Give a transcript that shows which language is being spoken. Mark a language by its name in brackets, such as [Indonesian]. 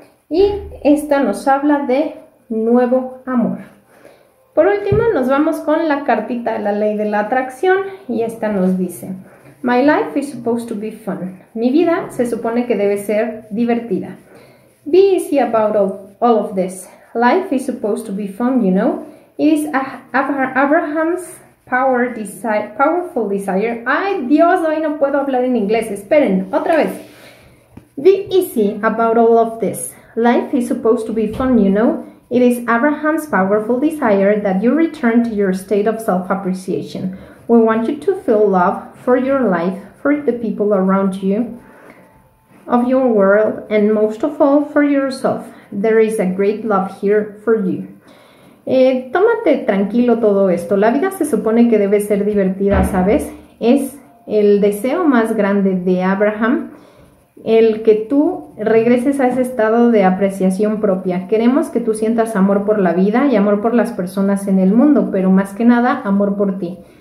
[Spanish] Y esta nos habla de nuevo amor. Por último, nos vamos con la cartita de la ley de la atracción y esta nos dice: [English] My life is supposed to be fun. [Spanish] Mi vida se supone que debe ser divertida. [English] Be easy about all of this. Life is supposed to be fun, you know. It is Abraham's powerful desire. [Spanish] ¡Ay, Dios! Hoy no puedo hablar en inglés. Esperen, otra vez. [English] Be easy about all of this. Life is supposed to be fun, you know. It is Abraham's powerful desire that you return to your state of self-appreciation. We want you to feel love for your life, for the people around you, of your world, and most of all, for yourself. There is a great love here for you. [Spanish] Tómate tranquilo todo esto. La vida se supone que debe ser divertida, ¿sabes? Es el deseo más grande de Abraham, el que tú regreses a ese estado de apreciación propia. Queremos que tú sientas amor por la vida y amor por las personas en el mundo, pero más que nada, amor por ti.